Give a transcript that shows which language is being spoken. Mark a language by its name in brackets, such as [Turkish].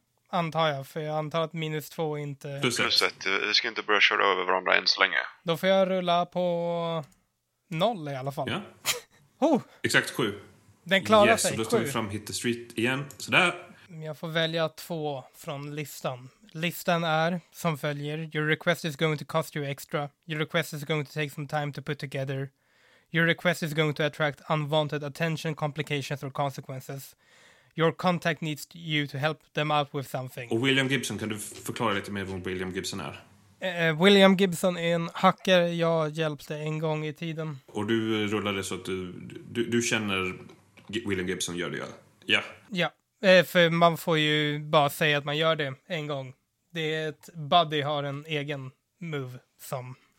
[Swedish] Antar jag, för jag antar att minus 2 inte... Plus 1, vi ska inte börja köra över varandra än så länge. Då får jag rulla på 0 i alla fall. Ja. Oh! Exakt 7. Den klarar sig, 7. Yes, så då tar vi fram Hit the Street igen. Sådär. Jag får välja 2 från listan. Listan är som följer. [English] Your request is going to cost you extra. Your request is going to take some time to put together. Your request is going to attract unwanted attention, complications or consequences. Your contact needs you to help them out with something. [Swedish] Och William Gibson, kan du förklara lite mer vad William Gibson är? William Gibson är en hacker jag hjälpte en gång i tiden. Och du rullade så att du känner William Gibson, gör det ju? Ja. Ja, för man får ju bara säga att man gör det en gång. Det är ett buddy har en egen move som